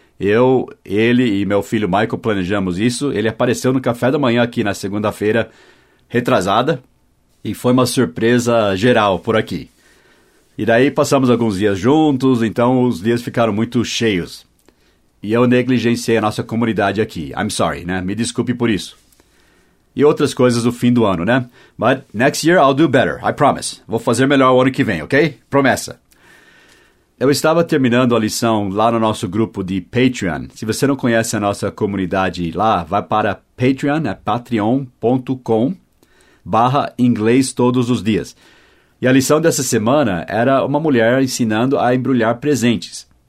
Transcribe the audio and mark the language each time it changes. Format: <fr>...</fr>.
<pt>Eu, ele e meu filho Michael planejamos isso. Ele apareceu no café da manhã aqui na segunda-feira, retrasada, e foi uma surpresa geral por aqui. E daí passamos alguns dias juntos, então os dias ficaram muito cheios. E eu negligenciei a nossa comunidade aqui.</pt> <en>I'm sorry,</en> <pt>né? Me desculpe por isso. E outras coisas do fim do ano, né?</pt> <en>But next year I'll do better, I promise.</en> <pt>Vou fazer melhor o ano que vem, ok? Promessa. Eu estava terminando a lição lá no nosso grupo de Patreon. Se você não conhece a nossa comunidade lá, vai para Patreon, é patreon.com/inglês todos os dias. E a lição dessa semana era uma mulher ensinando a embrulhar presentes.</pt>